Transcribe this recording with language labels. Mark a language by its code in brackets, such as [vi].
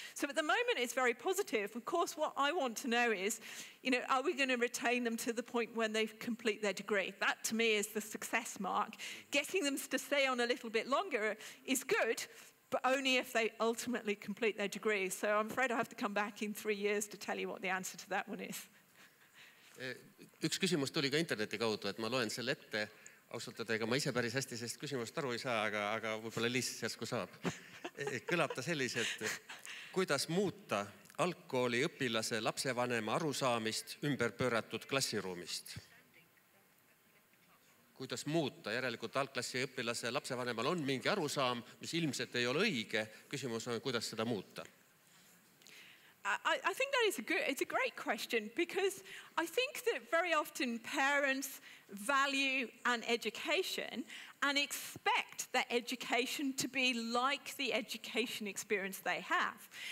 [en] So at the moment it's very positive. Of course, what I want to know is, you know, are we going to retain them to the point when they complete their degree? That to me is the success mark. Getting them to stay on a little bit longer is good, but only if they ultimately complete their degree. So I'm afraid I have to come back in 3 years to tell you what the answer to that one is. [et] Üks küsimus tuli ka interneti kaudu, et ma loen selle ette. Ausutatega ma ise päris hästi sest küsimust aru ei saa, aga võib-olla Liis järsku saab. Kõlab ta selliselt, kuidas muuta algkooli õpilase lapsevanema arusaamist ümber pööratud klassiruumist? Kuidas muuta? Järelikult algklassi õpilase lapsevanemal on mingi arusaam, mis ilmselt ei ole õige. Küsimus on, kuidas seda muuta? [en] I think that is it's a great question, because I think that very often parents value an education and expect that education to be like the education experience they have.